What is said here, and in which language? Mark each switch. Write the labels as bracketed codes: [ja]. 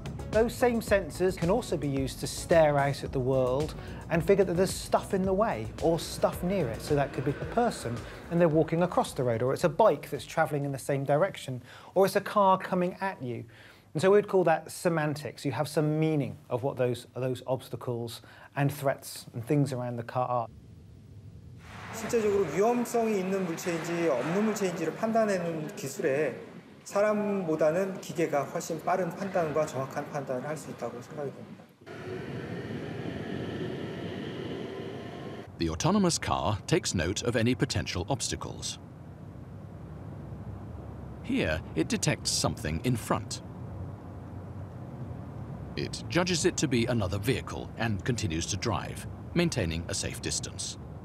[en] Those same sensors can also be used to stare out at the world and figure that there's stuff in the way or stuff near it. So that could be a person and they're walking across the road, or it's a bike that's traveling in the same direction, or it's a car coming at you. And so we'd call that semantics. You have some meaning of what those obstacles and threats and things around the car are. [ko] 실제적으로 위험성이 있는 물체인지 없는 물체인지를 판단하는 기술에 사람보다는 기계가 훨씬 빠른 판단과 정확한 판단을 할 수 있다고 생각이 됩니다. [en] The autonomous car takes note of any potential obstacles. Here, it detects something in front. It judges it to be another vehicle and continues to drive, maintaining a safe distance.